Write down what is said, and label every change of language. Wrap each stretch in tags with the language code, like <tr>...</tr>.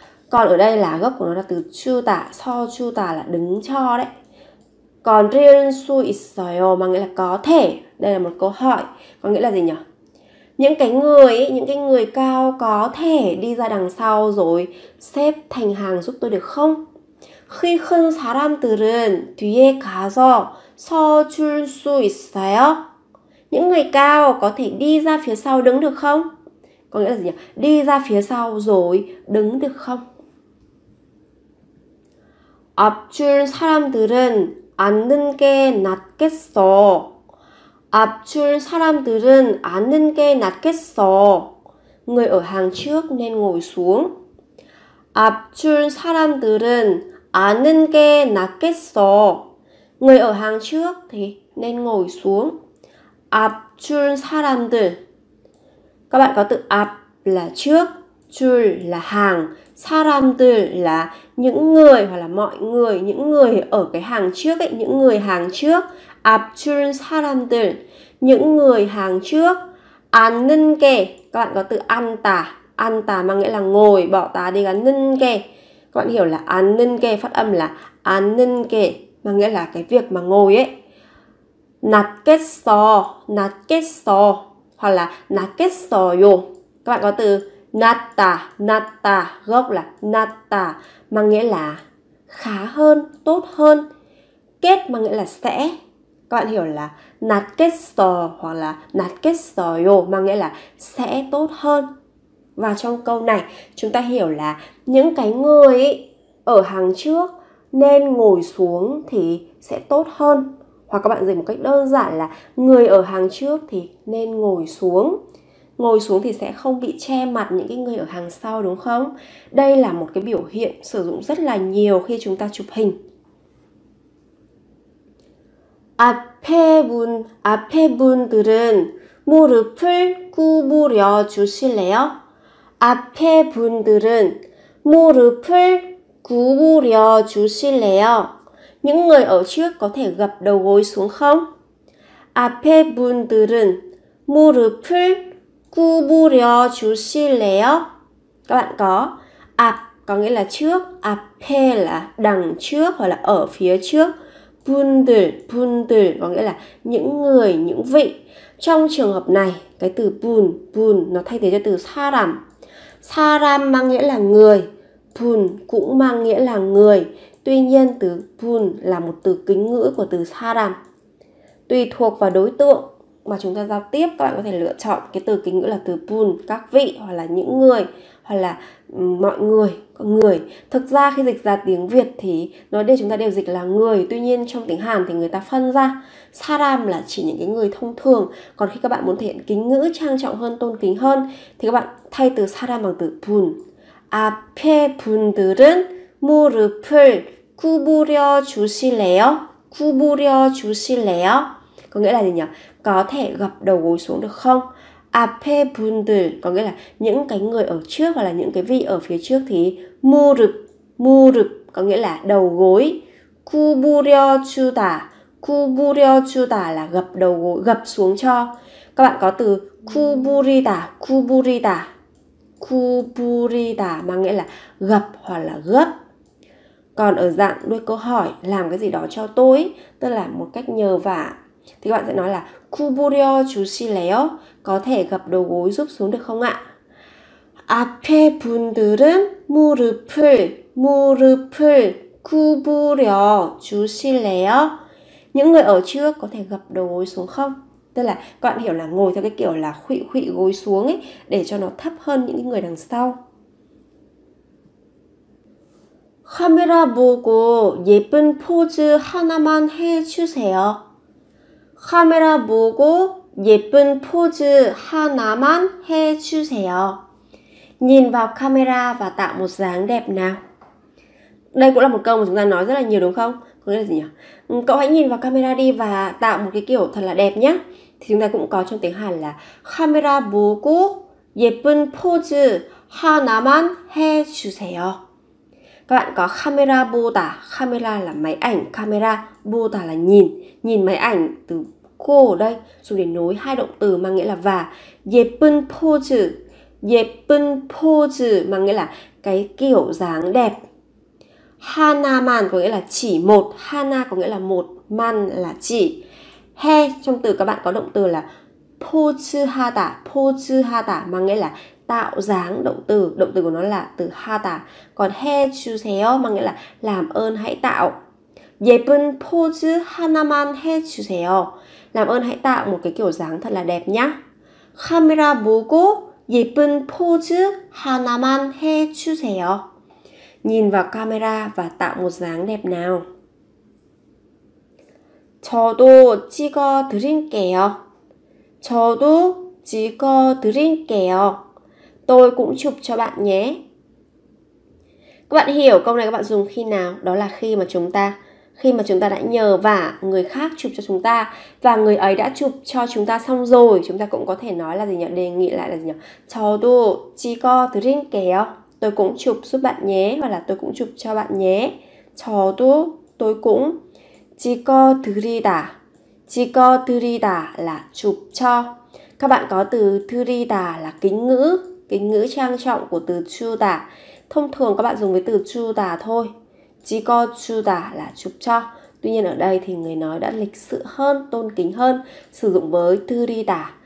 <vi>Còn ở đây là gốc của nó là từ chu tả, so chu tả là đứng cho đấy. Còn riêng su isoyo mà nghĩa là có thể, đây là một câu hỏi, có nghĩa là gì nhỉ? Những cái người ấy, những cái người cao có thể đi ra đằng sau rồi xếp thành hàng giúp tôi được không?</vi> <ko>Khi 큰 사람들은 뒤에 가서 서 줄 수 있어요?</ko> <vi>Những người cao có thể đi ra phía sau đứng được không? Có nghĩa là gì nhỉ? Đi ra phía sau rồi đứng được không?</vi> <ko>앞 줄 사람들은 앉는 게 낫겠어. 앞 줄 사람들은 앉는 게 낫겠어.</ko> <vi>Người ở hàng trước nên ngồi xuống.</vi> <ko>앞 줄 사람들은 앉는 게 낫겠어.</ko> <vi>Người ở hàng trước thì nên ngồi xuống.</vi> <ko>앞 줄 사람들.</ko> <vi>Các bạn có từ 앞 là trước, 줄 là hàng, 사람들 là những người hoặc là mọi người, những người ở cái hàng trước ấy, những người hàng trước.</vi> <ko>앞 줄 사람들,</ko> <vi>những người hàng trước. 앉는 게, các bạn có từ 앉다. 앉다 mà nghĩa là ngồi, bỏ tá đi gắn 는 게. Các bạn hiểu là 앉는 게, phát âm là 앉는 게 mà nghĩa là cái việc mà ngồi ấy.</vi> <ko>낫겠어, 낫겠어</ko> <vi>hoặc là</vi> <ko>낫겠어요.</ko> <vi>Các bạn có từ 낫다, 낫다 gốc là 낫다 mà nghĩa là khá hơn, tốt hơn. 깨 mà nghĩa là sẽ. Các bạn hiểu là 낫겠어 hoặc là 낫겠어요 mà nghĩa là sẽ tốt hơn. Và trong câu này chúng ta hiểu là những cái người ở hàng trước nên ngồi xuống thì sẽ tốt hơn. Hoặc các bạn dịch một cách đơn giản là người ở hàng trước thì nên ngồi xuống. Ngồi xuống thì sẽ không bị che mặt những cái người ở hàng sau, đúng không? Đây là một cái biểu hiện sử dụng rất là nhiều khi chúng ta chụp hình.</vi> <ko>앞에 분들은 무릎을 구부려 주실래요? 앞에 분들은 무릎을 구부려 주실래요?</ko> <vi>Những người ở trước có thể gập đầu gối xuống không?</vi> <ko>앞에 분들은 무릎을 구부려 주실래요?</ko> <vi>Các bạn có 앞 có nghĩa là trước, 앞에 là đằng trước hoặc là ở phía trước. 분들, 분들 có nghĩa là những người, những vị. Trong trường hợp này, cái từ 분, 분 nó thay thế cho từ 사람. 사람 mang nghĩa là người, 분 cũng mang nghĩa là người. Tuy nhiên từ 분 là một từ kính ngữ của từ 사람. Tùy thuộc vào đối tượng mà chúng ta giao tiếp, các bạn có thể lựa chọn cái từ kính ngữ là từ 분, các vị hoặc là những người hoặc là mọi người, người. Thực ra khi dịch ra tiếng Việt thì nói đây chúng ta đều dịch là người, tuy nhiên trong tiếng Hàn thì người ta phân ra 사람 là chỉ những cái người thông thường, còn khi các bạn muốn thể hiện kính ngữ trang trọng hơn, tôn kính hơn thì các bạn thay từ 사람 bằng từ 분.</vi> <ko>앞에 분들은 무릎을 구부려 주실래요? 구부려 주실래요?</ko> <vi>Có nghĩa là gì nhỉ? Có thể gập đầu gối xuống được không?</vi> <ko>앞에 분들</ko> <vi>có nghĩa là những cái người ở trước hoặc là những cái vị ở phía trước thì 무릎, 무릎 có nghĩa là đầu gối. 구부려 주다, 구부려 주다 là gập đầu gối, gập xuống cho. Các bạn có từ 구부리다, 구부리다. 구부리다 mà nghĩa là gập hoặc là gấp. Còn ở dạng đuôi câu hỏi làm cái gì đó cho tôi, tức là một cách nhờ vả, thì các bạn sẽ nói là</vi> <ko>구부려 주실래요?</ko> <vi>Có thể gập đầu gối giúp xuống được không ạ?</vi> <ko>앞에 분들은 무릎을 구부려 주실래요?</ko> <vi>Những người ở trước có thể gập đầu gối xuống không? Tức là các bạn hiểu là ngồi theo cái kiểu là khụy khụy gối xuống ấy, để cho nó thấp hơn những người đằng sau.</vi> <ko>Camera 보고 예쁜 포즈 하나만 해 주세요. Camera 보고 예쁜 포즈 하나만 해 주세요.</ko> <vi>Nhìn vào camera và tạo một dáng đẹp nào. Đây cũng là một câu mà chúng ta nói rất là nhiều, đúng không? Có nghĩa là gì nhỉ? Cậu hãy nhìn vào camera đi và tạo một cái kiểu thật là đẹp nhé. Thì chúng ta cũng có trong tiếng Hàn là</vi> <ko>카메라 보고 예쁜 포즈 하나만 해주세요.</ko> <vi>Các bạn có 카메라 보다, 카메라 là máy ảnh, 카메라 보다 là nhìn. Nhìn máy ảnh, từ 고 đây dùng để nối hai động từ mà nghĩa là và.</vi> <ko>예쁜 포즈, 예쁜 포즈</ko> <vi>mà nghĩa là cái kiểu dáng đẹp. 하나만 có nghĩa là chỉ một, 하나 có nghĩa là một, 만 là chỉ. He trong từ các bạn có động từ là 포즈하다, 포즈하다 mà nghĩa là tạo dáng động từ của nó là từ 하다. Còn 해주세요 mà nghĩa là làm ơn hãy tạo.</vi> <ko>예쁜 포즈 하나만 해주세요.</ko> <vi>Làm ơn hãy tạo một cái kiểu dáng thật là đẹp nhá.</vi> <ko>카메라 보고 예쁜 포즈 하나만 해주세요.</ko> <vi>Nhìn vào camera và tạo một dáng đẹp nào.</vi> <ko>저도 찍어 드릴게요. 저도 찍어 드릴게요.</ko> <vi>Tôi cũng chụp cho bạn nhé. Các bạn hiểu câu này các bạn dùng khi nào? Đó là khi mà chúng ta đã nhờ vả người khác chụp cho chúng ta và người ấy đã chụp cho chúng ta xong rồi, chúng ta cũng có thể nói là gì nhỉ? Đề nghị lại là gì nhỉ?</vi> <ko>저도 찍어 드릴게요.</ko> <vi>Tôi cũng chụp giúp bạn nhé, hoặc là tôi cũng chụp cho bạn nhé. 저도 tôi cũng</vi> <ko>찍어 드리다.</ko> <vi>찍어 드리다 là chụp cho. Các bạn có từ 드리다 là kính ngữ trang trọng của từ 주다. Thông thường các bạn dùng với từ 주다 thôi. 찍어 주다 là chụp cho. Tuy nhiên ở đây thì người nói đã lịch sự hơn, tôn kính hơn, sử dụng với 드리다.</vi>